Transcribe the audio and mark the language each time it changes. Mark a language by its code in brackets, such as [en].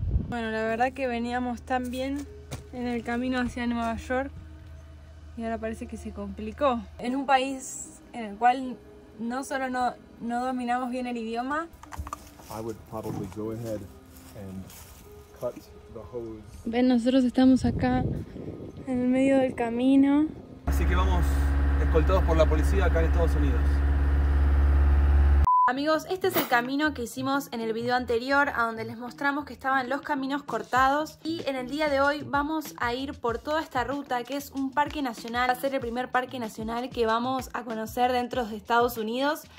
[es] Bueno, la verdad que veníamos tan bien en el camino hacia Nueva York y ahora parece que se complicó. En un país en el cual no solo no dominamos bien el idioma. [en] I would probably go ahead and cut the hose. [es] Ven, nosotros estamos acá en el medio del camino. Así que vamos escoltados por la policía acá en Estados Unidos. Amigos, este es el camino que hicimos en el video anterior, a donde les mostramos que estaban los caminos cortados. Y en el día de hoy vamos a ir por toda esta ruta, que es un parque nacional. Va a ser el primer parque nacional que vamos a conocer dentro de Estados Unidos.